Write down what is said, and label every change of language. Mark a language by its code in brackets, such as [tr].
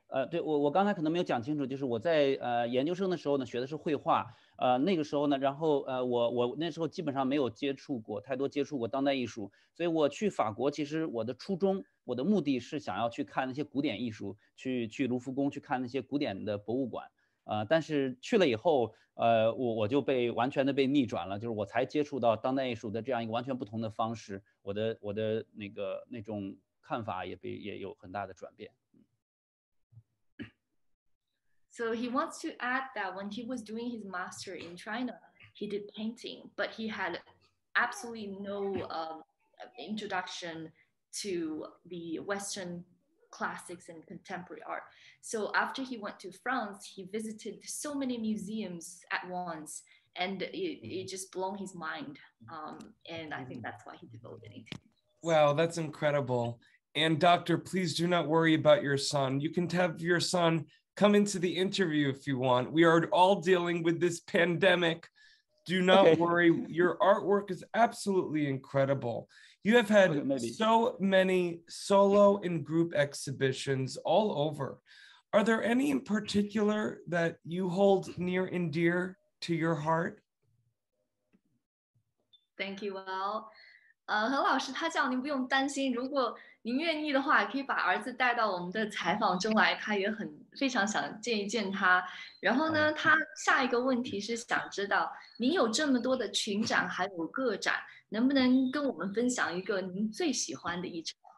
[zh] 对我刚才可能没有讲清楚，就是我在研究生的时候呢，学的是绘画，那个时候呢，然后我那时候基本上没有接触过太多接触过当代艺术，所以我去法国，其实我的初衷，我的目的是想要去看那些古典艺术，去卢浮宫，去看那些古典的博物馆，但是去了以后，我就被完全的被逆转了，就是我才接触到当代艺术的这样一个完全不同的方式，我的那个那种看法也有很大的转变。 [en] So he wants to add that when he was doing his master in China, he did painting, but he had absolutely no introduction to the Western classics and contemporary art. So after he went to France, he visited so many museums at once, and it just blew his mind. And I think that's why he devoted it. Wow, that's incredible. And doctor, please do not worry about your son. You can have your son come into the interview if you want. We are all dealing with this pandemic. Do not worry. Your artwork is absolutely incredible. You have had so many solo and group exhibitions all over. Are there any in particular that you hold near and dear to your heart? Thank you, Will. [zh] 何老师他叫您不用担心，如果您愿意的话可以把儿子带到我们的采访中来，他也很非常想见一见他。然后呢，他下一个问题是想知道您有这么多的群展还有个展，能不能跟我们分享一个您最喜欢的一场。